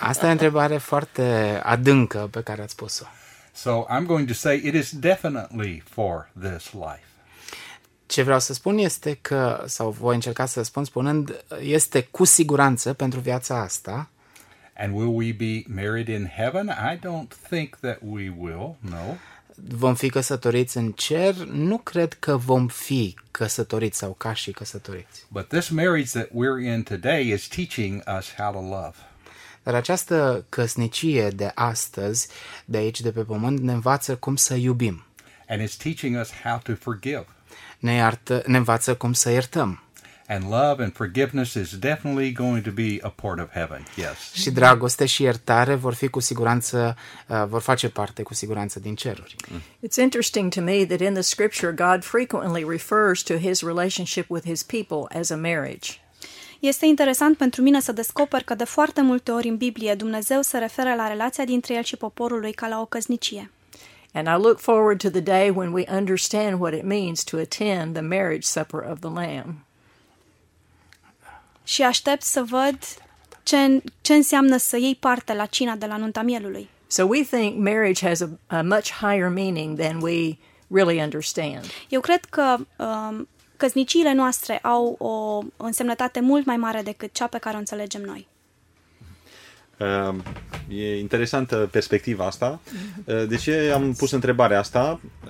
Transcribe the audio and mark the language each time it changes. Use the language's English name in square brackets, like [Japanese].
[Romanian] Asta e întrebare foarte adâncă pe care ați pus-o. [English] So I'm going to say it is definitely for this life. [Romanian] Ce vreau să spun este că, sau voi încerca să spun spunând, este cu siguranță pentru viața asta. [English] And will we be married in heaven? I don't think that we will, no. [Romanian] Vom fi căsătoriți în cer? Nu cred că vom fi căsătoriți sau ca și căsătoriți. [English] But this marriage that we're in today is teaching us how to love. [Romanian] Dar această căsnicie de astăzi, de aici, de pe pământ, ne învață cum să iubim. [English] And it's teaching us how to forgive. [Romanian] Ne învață cum să iertăm. [English] And love and forgiveness is definitely going to be a part of heaven. Yes. [Romanian] Și dragoste și iertare vor fi cu siguranță vor face parte cu siguranță din ceruri. [English] It's interesting to me that in the scripture God frequently refers to his relationship with his people as a marriage. [Romanian] Este interesant pentru mine să descoper că de foarte multe ori în Biblie Dumnezeu se referă la relația dintre el și poporul lui ca la o căsnicie. [English] And I look forward to the day when we understand what it means to attend the marriage supper of the Lamb. [Romanian] Și aștept să văd ce înseamnă să iei parte la cina de la nunta mielului. [English] So we think marriage has a much higher meaning than we really understand. [Romanian] Eu cred că căsniciile noastre au o însemnătate mult mai mare decât cea pe care o înțelegem noi. E interesantă perspectiva asta. De ce am pus întrebarea asta?